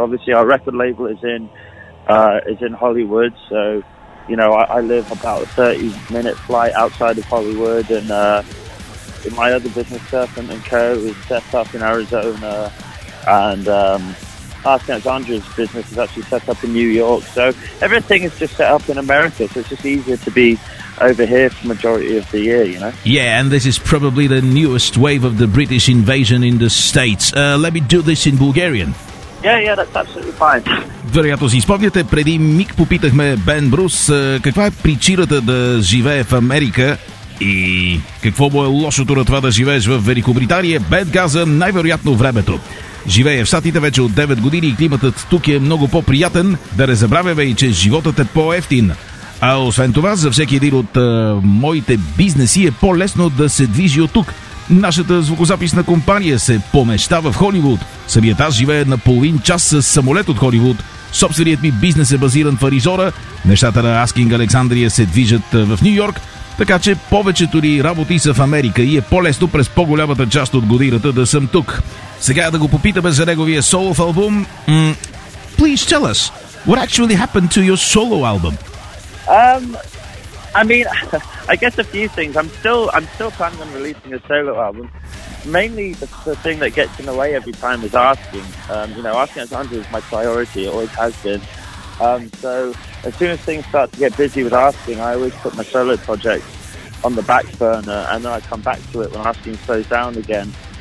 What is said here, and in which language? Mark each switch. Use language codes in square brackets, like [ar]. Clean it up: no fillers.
[en] Obviously, our record label is in Hollywood, so, you know, I live about a 30-minute flight outside of Hollywood, and my other business, Serpent & Co., is set up in Arizona, and Ask Alexandria's business is actually set up in New York, so everything is just set up in America, so it's just easier to be over here for majority of the year, you know? Yeah, and this is probably the newest wave of the British invasion in the States. Let me do this in Bulgarian. Yeah, that's absolutely fine. [bg] Вероятно си спомняте, преди миг попитахме Бен Брус каква е причината да живее в Америка и какво му е лошото на това да живееш в Великобритания. Бен каза най-вероятно времето. Живее в Щатите вече от 9 години и климатът тук е много по-приятен. Да не забравяме и, че животът е по-ефтин. А освен това, за всеки един от моите бизнеси е по-лесно да се движи от тук. Нашата звукозаписна компания се помещава в Холивуд. Самият аз живее на половин час с самолет от Холивуд. Собственият ми бизнес е базиран в Аризона. Нещата на Asking Alexandria се движат в Нью-Йорк. Така че повечето ни работи са в Америка и е по-лесно през по-голямата част от годината да съм тук. Сега да го попитаме за неговия соло албум. [en] Please tell us, what actually happened to your solo album? I mean, I guess a few things. I'm still planning on releasing a solo album. Mainly the thing that gets in the way every time is Asking. You know, Asking Alexandria is my priority. It always has been. So as soon as things start to get busy with Asking, I always put my solo project on the back burner, and then I come back to it when Asking slows down again.